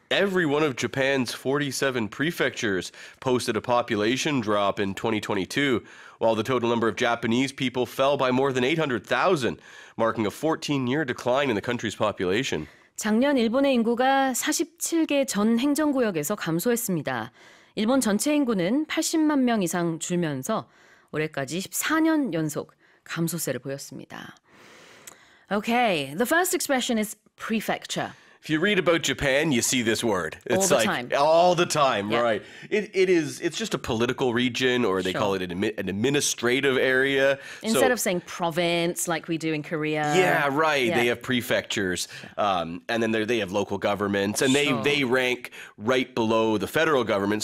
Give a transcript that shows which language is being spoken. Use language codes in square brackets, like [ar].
[en] every one of Japan's 47 prefectures posted a population drop in 2022, while the total number of Japanese people fell by more than 800,000, marking a 14-year decline in the country's population. [ko] 작년 일본의 인구가 47개 전 행정구역에서 감소했습니다. 일본 전체 인구는 80만 명 이상 줄면서 올해까지 14년 연속 감소세를 보였습니다. [en] Okay, the first expression is prefecture. If you read about Japan, you see this word. It's all the time. All the time, yeah. Right. It's just a political region, or they call it an administrative area. Instead of saying province like we do in Korea. Yeah, right. Yeah. They have prefectures, and then they have local governments, and they rank right below the federal government.